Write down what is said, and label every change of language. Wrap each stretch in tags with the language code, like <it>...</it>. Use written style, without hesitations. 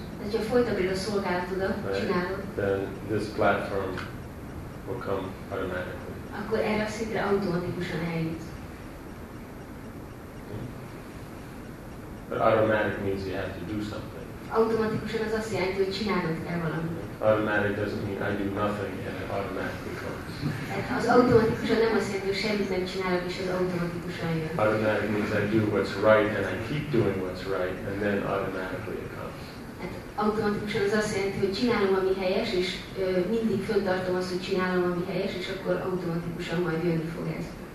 <hu>Tehát, ha folytatod a szolgálatodat,</hu> <en>right,</en> <hu>csinálod,</hu> <en>then this platform will come automatically.</en> <hu>Akkor erre a szintre automatikusan eljut.</hu> <en>But automatic means you have to do something.</en> <hu>Automatikusan az azt jelenti, hogy csinálnod kell valamit.</hu> <en>Automatic doesn't mean I do nothing and it automatically comes.</en> <hu>Az automatikusan nem azt jelenti, hogy semmit nem csinálok, és az automatikusan jön.</hu> <en>Automatic means I do what's right and I keep doing what's right and then automatically it comes.</en> <hu>Automatikusan az azt jelenti, hogy csinálom, ami helyes, és mindig fönntartom azt, hogy csinálom, ami helyes, és akkor automatikusan majd jönni fog ez.</hu>